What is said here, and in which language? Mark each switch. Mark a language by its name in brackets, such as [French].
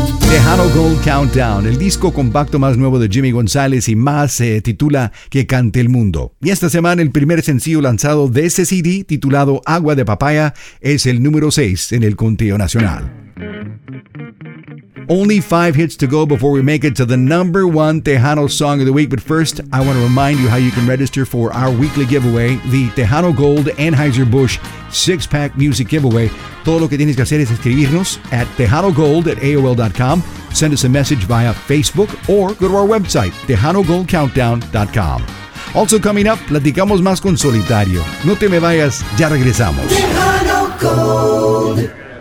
[Spanish] Tejano Gold Countdown, el disco compacto más nuevo de Jimmy González y más se titula Que Cante el Mundo. Y esta semana el primer sencillo lanzado de ese CD, titulado Agua de Papaya, es el número 6 en el conteo nacional. [English] Only 5 hits to go before we make it to the number 1 Tejano Song of the Week. But first, I want to remind you how you can register for our weekly giveaway, the Tejano Gold Anheuser-Busch 6-Pack Music Giveaway. [Spanish] Todo lo que tienes que hacer es escribirnos [English] at TejanoGold@AOL.com. Send us a message via Facebook or go to our website, TejanoGoldCountdown.com. Also coming up, [Spanish] platicamos más con Solitario. No te me vayas, ya regresamos. Tejano Gold.